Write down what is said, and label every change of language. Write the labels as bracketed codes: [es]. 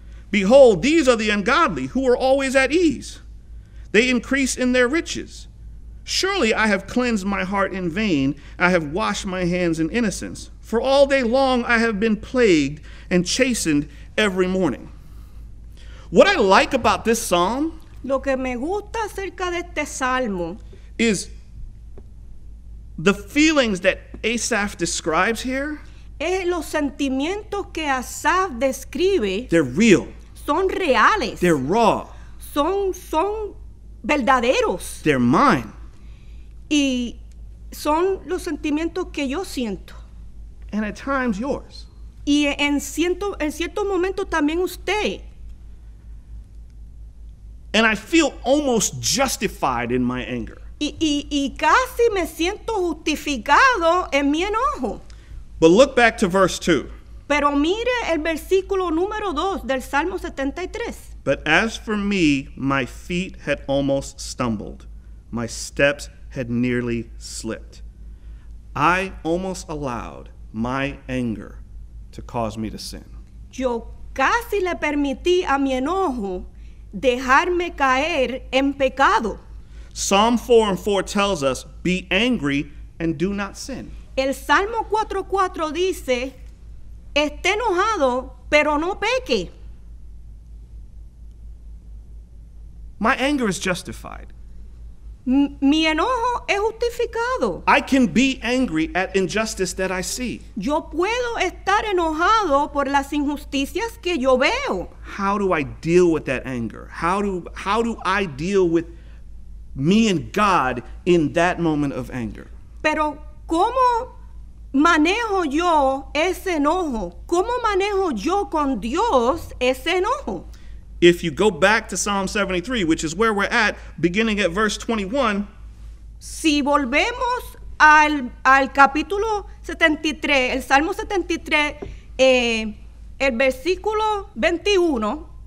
[en] Behold, these are the ungodly who are always at ease. They increase in their riches. Surely I have cleansed my heart in vain. I have washed my hands in innocence. For all day long I have been plagued and chastened every morning. What I like about this psalm, [es] lo que me gusta acerca de este salmo, [en] is the feelings that Asaph describes here, [es] es los sentimientos que Asaph describe, [en] they're real. [es] Son reales. [en] They're raw. [es] Son verdaderos. [en] They're mine. [es] Y son los sentimientos que yo siento. [en] And at times yours. [es] Y en cierto momento también usted. [en] And I feel almost justified in my anger. [es] Y casi me siento justificado en mi enojo. [en] But look back to verse 2. [es] Pero mire el versículo número 2 del Salmo 73. [en] But as for me, my feet had almost stumbled. My steps had nearly slipped. I almost allowed my anger to cause me to sin. [es] Yo casi le permití a mi enojo dejarme caer en pecado. [en] Psalm 4 and 4 tells us, be angry and do not sin. [es] El Salmo 4:4 dice, esté enojado, pero no peque. [en] My anger is justified. [es] Mi enojo es justificado. [en] I can be angry at injustice that I see. [es] Yo puedo estar enojado por las injusticias que yo veo. [en] How do I deal with that anger? How do I deal with me and God in that moment of anger? [es] Pero ¿cómo manejo yo ese enojo? ¿Cómo manejo yo con Dios ese enojo? [en] If you go back to Psalm 73, which is where we're at, beginning at verse 21. [es] Si volvemos al capítulo 73, el Salmo 73, el versículo 21.